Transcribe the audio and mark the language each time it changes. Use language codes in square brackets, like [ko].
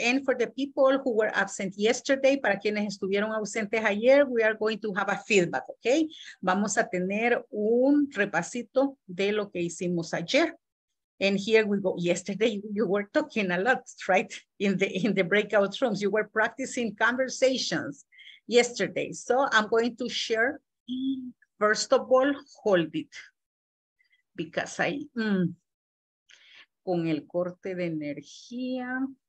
[en] And for the people who were absent yesterday, [es] para quienes estuvieron ausentes ayer, [en] we are going to have a feedback, okay? [es] Vamos a tener un repasito de lo que hicimos ayer. [en] And here we go. Yesterday you were talking a lot, right? In the breakout rooms, you were practicing conversations yesterday. So I'm going to share. First of all, hold it. Because I... [es] con el corte de energía.